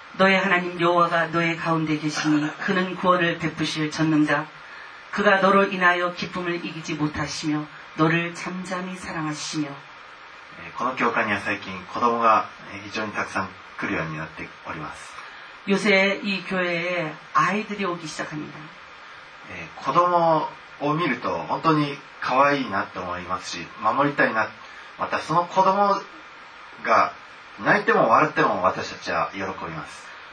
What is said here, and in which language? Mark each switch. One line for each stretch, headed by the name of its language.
Korean: 너의하나님여호와가너의가운데계시니그는구원을베푸실전능자그가너를인하여기쁨을이기지못하시며너를잠잠히사랑하시며
Japanese: この教会には最近子供が非常にたくさん来るようになっております。
Korean: 요새이교회에아이들이오기시작합니다
Japanese: 子供を見ると本当に可愛いなと思いますし守りたいな。またその子供が泣いても笑っても私たちは喜びます。